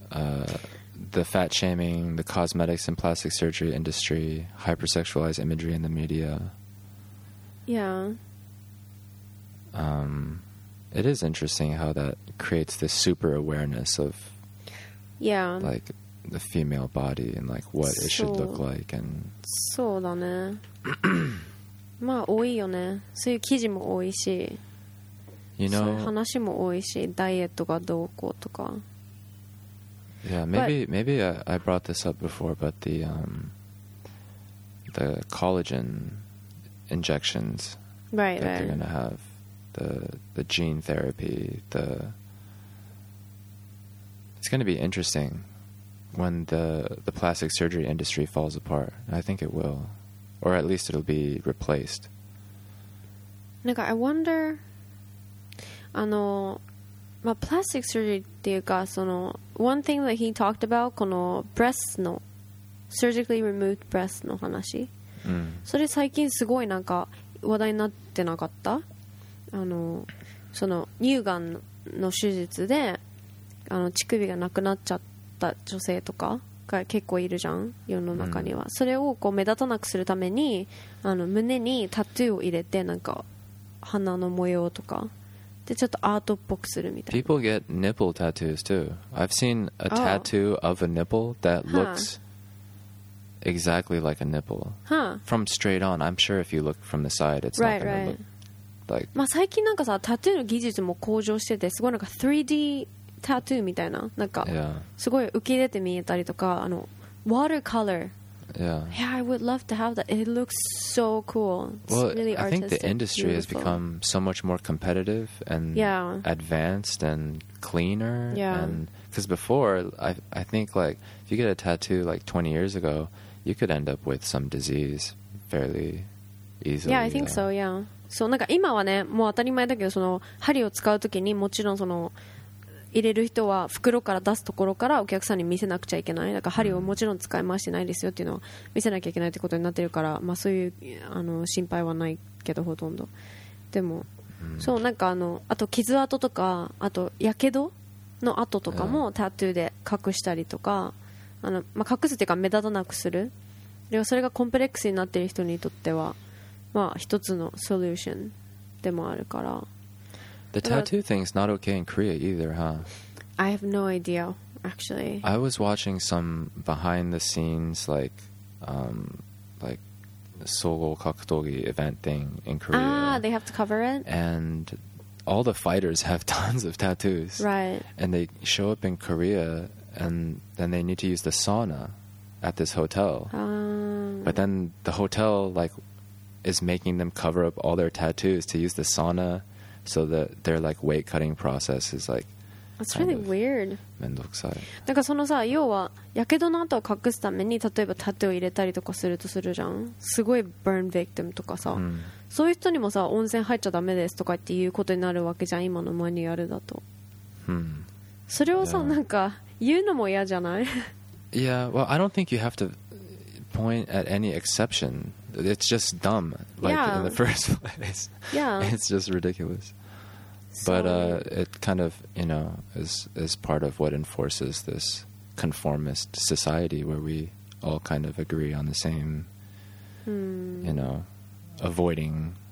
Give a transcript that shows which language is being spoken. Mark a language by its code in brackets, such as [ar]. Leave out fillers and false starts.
[en] The fat shaming, the cosmetics and plastic surgery industry, hypersexualized imagery in the media. Yeah. It is interesting how that creates this super awareness of, yeah, like the female body and like what it should look like and. [ja] そうだね。まあ多いよね。そういう記事も多いし、 [en] you know, [ja] そういう話も多いし、ダイエットがどうこうとか。 [en] Yeah, maybe I brought this up before, but the collagen injections right, that right. they're gonna have, the gene therapy, it's gonna be interesting when the plastic surgery industry falls apart. I think it will. Or at least it'll be replaced. Like, I wonder. [ja] あの、まあ、 [en] plastic surgery [ja] っていうかその [en] one thing that he talked about この breasts の surgically removed breasts の話。 [ja] うん。それ最近すごいなんか話題になってなかった。あのその乳がんの手術であの乳首がなくなっちゃった女性とか。が結構いるじゃん世の中には、うん、それをこう目立たなくするためにあの胸にタトゥーを入れてなんか鼻の模様とかでちょっとアートっぽくするみたいな [en] People get nipple tattoos too I've seen a tattoo of a nipple that looks exactly like a nipple from straight on I'm sure if you look from the side it's right, not gonna right. look like [ja] まあ最近なんかさタトゥーの技術も向上しててすごいなんか 3Dタトゥーみたいななんかすごい浮き出て見えたりとかあのワーターカラー [en] Yeah. Yeah, I would love to have that. It looks so cool. Well, it's really artistic. I think the industry beautiful. Has become so much more competitive and advanced and cleaner. Yeah. Because before, I think, like, if you get a tattoo, like, 20 years ago, you could end up with some disease fairly easily. Yeah, I think so, yeah. [ja] So, なんか今はね、もう当たり前だけど、その針を使うときにもちろんその入れる人は袋から出すところからお客さんに見せなくちゃいけない。だから針をもちろん使い回してないですよっていうのを見せなきゃいけないってことになってるから、まあそういうあの心配はないけどほとんど。でも、そうなんかあのあと傷跡とかあと火傷の跡とかもタトゥーで隠したりとか、あのまあ隠すっていうか目立たなくする。でそれがコンプレックスになってる人にとっては。まあ、一つのソリューションでもあるから。 [en] The tattoo thing is not okay in Korea either, huh? I have no idea, actually. I was watching some behind the scenes, like, Sogo Kakutogi event thing in Korea. Ah, they have to cover it? And all the fighters have tons of tattoos. Right. And they show up in Korea, and then they need to use the sauna at this hotel. But then the hotel, like, is making them cover up all their tattoos to use the sauna so that their like weight cutting process is like That's really weird. [ja] めんどくさい。なんかそのさ、要は火傷の跡を隠すために例えばタトゥーを入れたりとかするとするじゃん。すごいburn victimとかさ、うん、そういう人にもさ、温泉入っちゃダメですとかっていうことになるわけじゃん、今のマニュアルだと。うん、それをさ、なんか言うのも嫌じゃない [en] Yeah, well, I don't think you have to point at any exception. It's just dumb, like, yeah. in the first place. Yeah. It's just ridiculous. So, but it kind of, you know, is part of what enforces this conformist society where we all kind of agree on the same, you know, avoiding